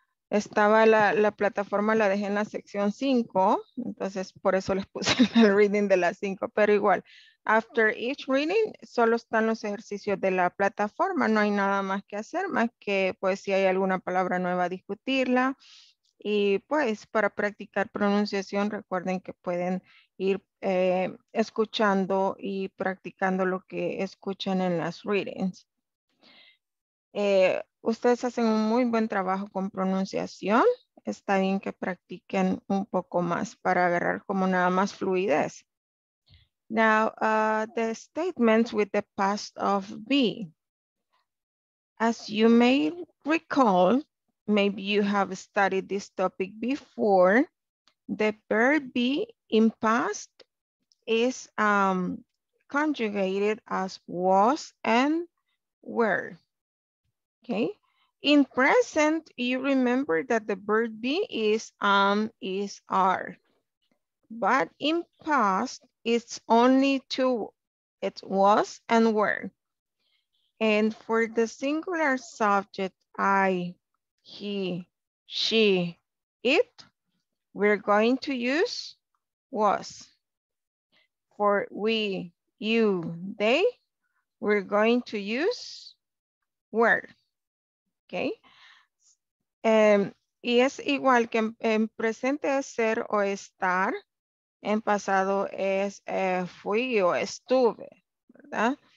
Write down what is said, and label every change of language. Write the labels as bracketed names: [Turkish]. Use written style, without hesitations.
[Spanish] Estaba la plataforma, la dejé en la sección 5, entonces por eso les puse el reading de las 5, pero igual, [English] after each reading, [Spanish] solo están los ejercicios de la plataforma, no hay nada más que hacer, más que pues si hay alguna palabra nueva, discutirla, y pues para practicar pronunciación, recuerden que pueden ir escuchando y practicando lo que escuchan en las readings. Ustedes hacen un muy buen trabajo con pronunciación. Está bien que practiquen un poco más para agarrar como nada más fluidez. [English] Now, the statements with the past of be. As you may recall, maybe you have studied this topic before, the verb be in past is conjugated as was and were. Okay, in present, you remember that the verb be is am, is are. But in past, it's only two, it was and were. And for the singular subject, I, he, she, it, we're going to use was. For we, you, they, we're going to use were. Okay. [Spanish] Y es igual que en presente es ser o estar, en pasado es fui o estuve, ¿verdad?